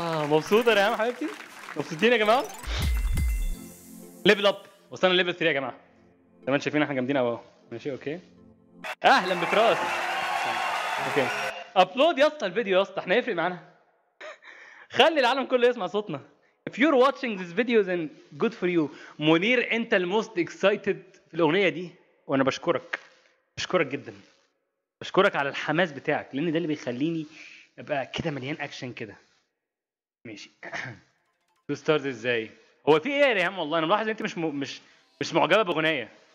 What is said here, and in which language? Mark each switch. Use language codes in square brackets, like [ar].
[ar] مبسوطة يا ريهام حبيبتي؟ مبسوطين يا جماعة؟ ليفل اب وصلنا ليفل 3 يا جماعة. زي ما انتم شايفين احنا جامدين قوي. ماشي اوكي. اهلا بفراس. اوكي. ابلود يا اسطى الفيديو يا اسطى احنا يفرق معانا. خلي العالم كله يسمع صوتنا. [en] If you're watching this video then good for you. [ar] منير انت الموست اكسايتد في الاغنية دي وانا بشكرك. بشكرك جدا. بشكرك على الحماس بتاعك لان ده اللي بيخليني ابقى كده مليان اكشن كده. ماشي. تو ستارز ازاي؟ هو في ايه يا ريهام والله انا ملاحظ ان انت مش معجبة بغنية.